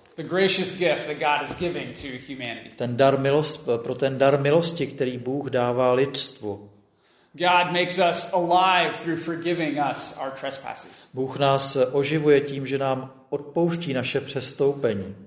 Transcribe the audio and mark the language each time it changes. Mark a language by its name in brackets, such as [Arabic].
[English] The gracious gift that God is giving to humanity. [Czech] Pro ten dar milosti, který Bůh dává lidstvu. [English] God makes us alive through forgiving us our trespasses. [Czech] Bůh nás oživuje tím, že nám odpouští naše přestoupení.